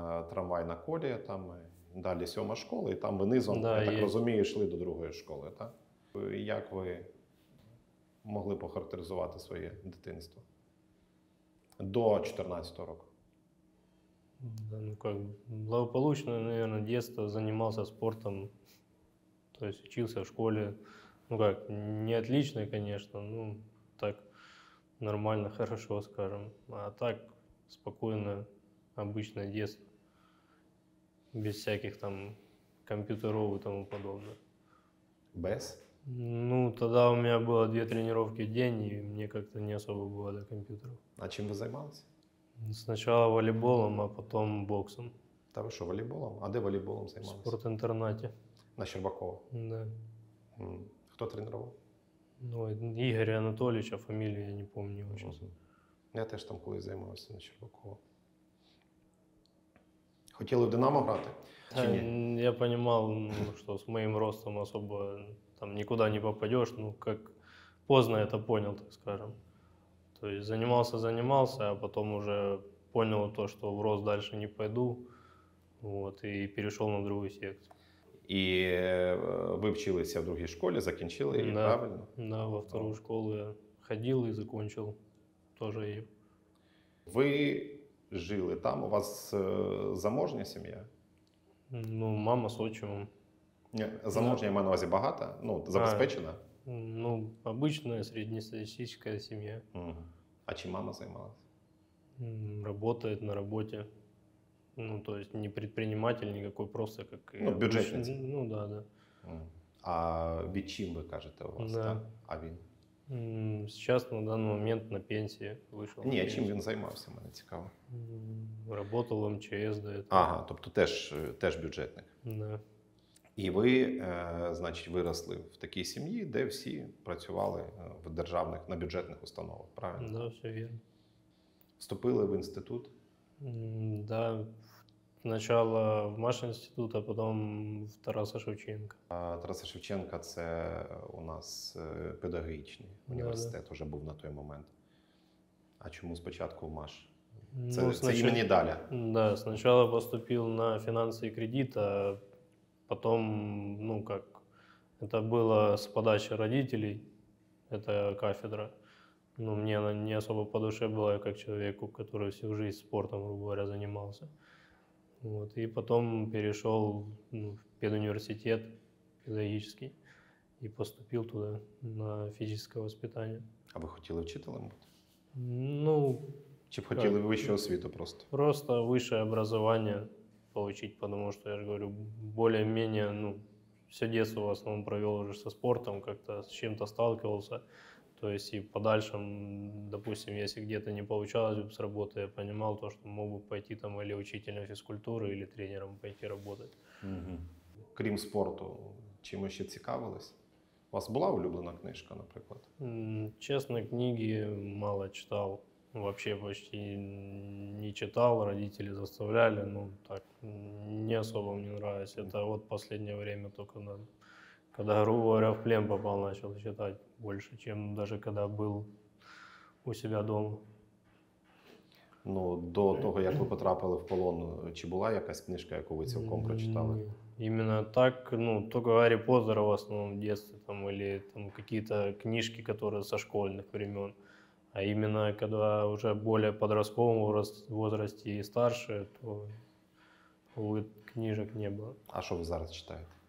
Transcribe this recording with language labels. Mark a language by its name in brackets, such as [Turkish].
[Ukrainian] Трамвайна колія там, далі сьома школа, і там ви низом, да, я так розумію, йшли до другої школи, так? Як ви могли похарактеризувати своє дитинство до 14-го року? [Russian] Да, ну, как благополучно, наверное, детство, занимался спортом, то есть учился в школе, ну как, не отлично, конечно, ну так нормально, хорошо, скажем, а так спокойно, обычное детство, без всяких там компьютеров и тому подобное. Без? Ну, тогда у меня было две тренировки в день, и мне как-то не особо было до компьютеров. А чем вы занимались? Сначала волейболом, а потом боксом. [Ukrainian] Та ви що, волейболом? А де волейболом займалися? В спортінтернаті. На Щербакова? Так. Да. Хто тренував? Ну, Ігор Анатолійович, а фамілію я не пам'ятаю. Я теж там колись займався на Щербакова. Хотіли в Динамо грати? Та, чи ні? Я розумів, що з моїм ростом особо там нікуди не попадеш. Ну, як поздно я це зрозумів, так скажемо. [Russian] То есть занимался, а потом уже понял то, что в рост дальше не пойду, вот, и перешел на другую секцию. И вы учились в другой школе, закончили ее, да, правильно? Да, во вторую школу я ходил и закончил тоже ее. Вы жили там, у вас заможняя семья? Ну, мама с отчимом. Заможняя, да. Я имею в виду, богата, ну, забезпечена? А. Ну, обычная среднестатистическая семья. А чем мама занималась? Работает на работе. Ну, то есть не предприниматель никакой, просто как... Ну, бюджетница. Ну, да, да. А ведь чем вы, кажете, у вас, да? [Ukrainian] А він? [Russian] Сейчас, на данный момент, на пенсии вышел. [Ukrainian] Не, а чем він займався, мне цікаво? [Russian] Работал в МЧС до [Ukrainian] этого. Ага, тобто теж бюджетник. [Russian] Да. [Ukrainian] І ви, значить, виросли в такій сім'ї, де всі працювали в державних, на бюджетних установах, правильно? Так, да, все вірно. Вступили в інститут? Так. Да. Спочатку в Маш-інститут, а потім в Тараса Шевченка. А Тараса Шевченка – це у нас педагогічний університет, да, вже був на той момент. А чому спочатку в Маш? Це, ну, це імені Даля. Так, да, спочатку поступив на фінанси і кредит, [Russian] а потом, ну, как, это было с подачи родителей, это кафедра. Ну, мне она не особо по душе была, я как человеку, который всю жизнь спортом, грубо говоря, занимался. Вот, и потом перешел, ну, в педуниверситет педагогический и поступил туда на физическое воспитание. А вы хотели учителем быть? Ну... Чи б хотели бы высшую освіту просто? Просто высшее образование. Получить, потому что, я же говорю, более-менее, ну, все детство в основном провел уже со спортом, как-то с чем-то сталкивался. То есть и подальше, допустим, если где-то не получалось бы с работы, я понимал то, что мог бы пойти там или учителем физкультуры, или тренером пойти работать. Угу. [Ukrainian] Крім спорту, чим ще цікавились? У вас була улюблена книжка, наприклад? [Russian] Честно, книги мало читал. Вообще почти не читал, родители заставляли, ну так, не особо мне нравится. Это вот последнее время только, когда, грубо говоря, в плен попал, начал читать больше, чем даже когда был у себя дома. [Ukrainian] Ну, до того, як ви потрапили в полон, чи була якась книжка, яку ви цілком прочитали? Ні, [Russian] Именно так, ну, только Гарри Поттера в основном в детстве, там, или там какие-то книжки, которые со школьных времен. А именно, когда уже более подростковом возрасте и старше, то, увы, книжек не было. А что вы зараз читаете?